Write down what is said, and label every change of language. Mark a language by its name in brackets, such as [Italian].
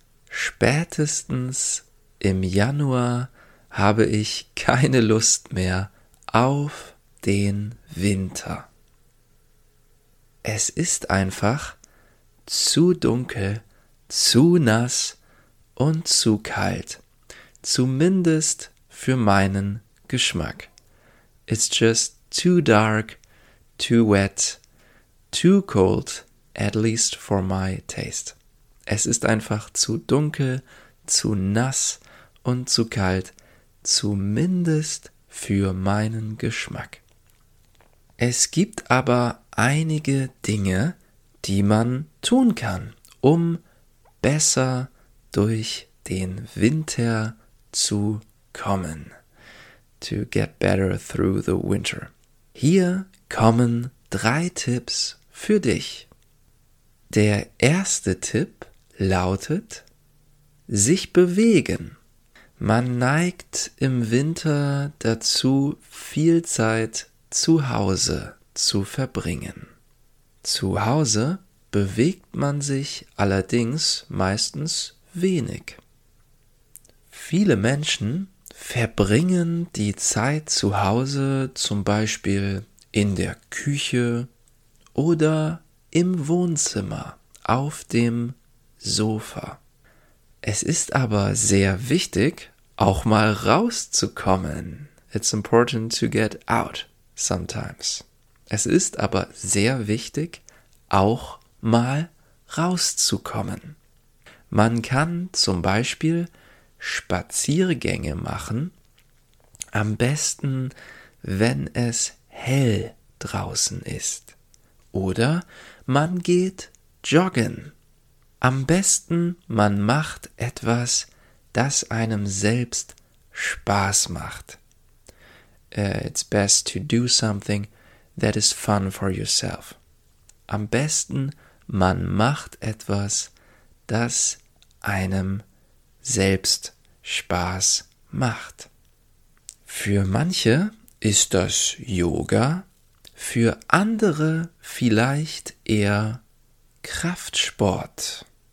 [German] Spätestens im Januar habe ich keine Lust mehr auf den Winter. Es ist einfach zu dunkel, zu nass und zu kalt. Zumindest für meinen Geschmack. [English] It's just too dark, too wet, too cold, at least for my taste. [German] Es ist einfach zu dunkel, zu nass und zu kalt, zumindest für meinen Geschmack. Es gibt aber einige Dinge, die man tun kann, um besser durch den Winter zu kommen. [English] To get better through the winter. [German] Hier kommen 3 Tipps für dich. Der erste Tipp lautet, sich bewegen. Man neigt im Winter dazu, viel Zeit zu Hause zu verbringen. Zu Hause bewegt man sich allerdings meistens wenig. Viele Menschen verbringen die Zeit zu Hause zum Beispiel in der Küche oder im Wohnzimmer auf dem Sofa. Es ist aber sehr wichtig, auch mal rauszukommen. [English] It's important to get out sometimes. [German] Es ist aber sehr wichtig, auch mal rauszukommen. Man kann zum Beispiel Spaziergänge machen, am besten, wenn es hell draußen ist. Oder man geht joggen. Am besten, man macht etwas, das einem selbst Spaß macht. [English] It's best to do something that is fun for yourself. [German] Am besten, man macht etwas, das einem selbst Spaß macht. Für manche ist das Yoga, für andere vielleicht eher Kraftsport.